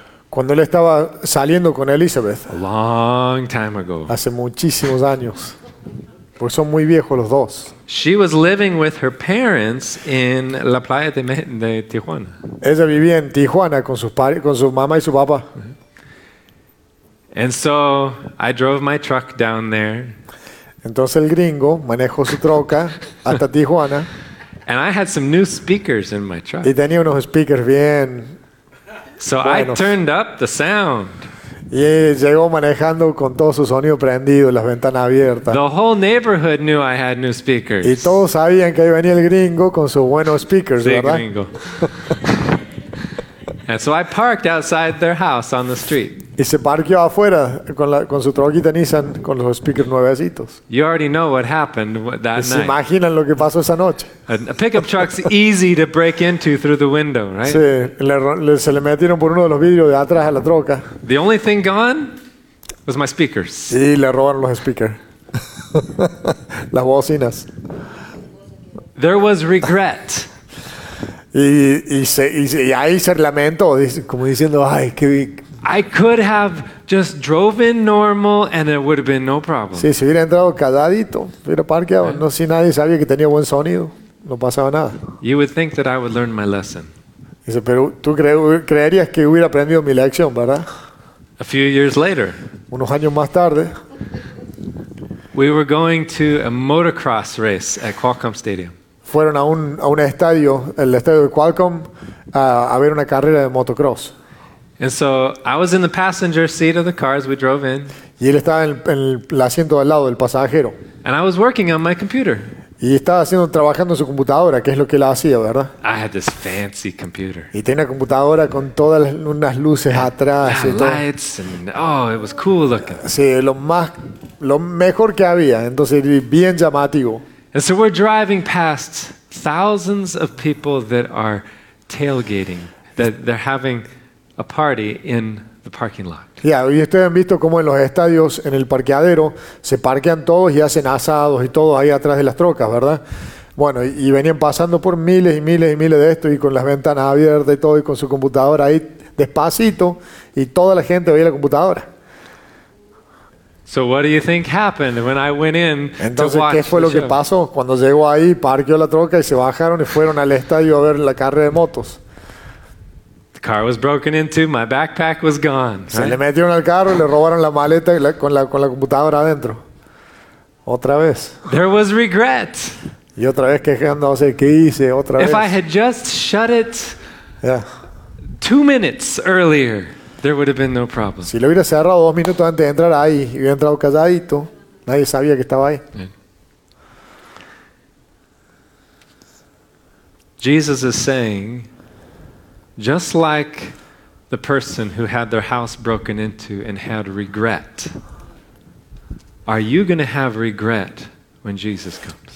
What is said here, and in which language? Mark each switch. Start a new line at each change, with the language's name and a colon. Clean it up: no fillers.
Spanish: Cuando él estaba saliendo con Elizabeth.
English: A long time ago.
Spanish: Hace muchísimos años. Porque son muy viejos los dos.
English: She was living with her parents in La Playa de Tijuana.
Spanish: Ella vivía en Tijuana con su mamá y su papá.
English: And so I drove my truck down there.
Spanish: Entonces el gringo manejó su troca hasta Tijuana.
English: And I had some new speakers in my truck.
Spanish: Y tenía unos speakers bien.
English: So I turned up the sound.
Spanish: Y llegó manejando con todo su sonido prendido, las ventanas abiertas.
English: The whole neighborhood knew I had new speakers.
Spanish: Y todos sabían que ahí venía el gringo con sus buenos speakers, ¿verdad? Sí, gringo.
English: And so I parked outside their house on the street.
Spanish: Y se parqueó afuera con su troquita Nissan con los speakers nuevecitos.
English: You already know what happened that night.
Spanish: Se imaginan lo que pasó esa noche.
English: A pickup truck's easy to break into through the window, right?
Spanish: Sí, se le metieron por uno de los vidrios de atrás a la troca.
English: The only thing gone was my speakers.
Spanish: Sí, le robaron los speakers. Las bocinas.
English: There was regret.
Spanish: Y ahí se lamentó, como diciendo, ay, qué.
English: I could have just driven normal and it would have been no problem.
Spanish: Sí, si hubiera entrado calladito, hubiera parqueado, no si nadie sabía que tenía buen sonido, no pasaba nada.
English: You would think that I would learn my lesson.
Spanish: Dice, pero tú creerías que hubiera aprendido mi lección, ¿verdad?
English: A few years later.
Spanish: Unos años más tarde.
English: We were going to a motocross race at Qualcomm Stadium.
Spanish: Fueron a un estadio, el estadio de Qualcomm, a ver una carrera de motocross.
English: And so I was in the passenger seat of the car as we drove in.
Spanish: Y él estaba en el asiento al lado del pasajero.
English: And I was working on my computer.
Spanish: Y estaba trabajando en su computadora, que es lo que él hacía, ¿verdad?
English: I had this fancy computer.
Spanish: Y tenía una computadora con todas unas luces atrás y todo.
English: Lights and oh, it was cool looking.
Spanish: Sí, lo mejor que había, entonces bien llamativo.
English: And so we're driving past thousands of people that are tailgating, that they're having a party in the parking lot.
Spanish: Yeah, y ustedes han visto cómo en los estadios, en el parqueadero, se parquean todos y hacen asados y todo ahí atrás de las trocas, ¿verdad? Bueno, y venían pasando por miles y miles y miles de esto, y con las ventanas abiertas y todo, y con su computadora ahí despacito, y toda la gente veía la computadora.
English: So what do you think happened when I went in?
Spanish: Entonces, ¿qué fue lo que pasó cuando llegó ahí, parqueó la troca y se bajaron y fueron al estadio a ver la carrera de motos?
English: The car was broken into, my backpack was gone.
Spanish: Se le metieron al carro y le robaron la maleta con la computadora adentro. Otra vez.
English: There was regret.
Spanish: Y otra vez quejándose, ¿qué hice? Otra vez.
English: If I had just shut it 2 minutes earlier, there would have been no problem.
Spanish: Si lo hubiera cerrado 2 minutos antes de entrar ahí, y hubiera entrado calladito, nadie sabía que estaba ahí.
English: Jesus is saying, just like the person who had their house broken into and had regret, are you going to have regret when Jesus comes?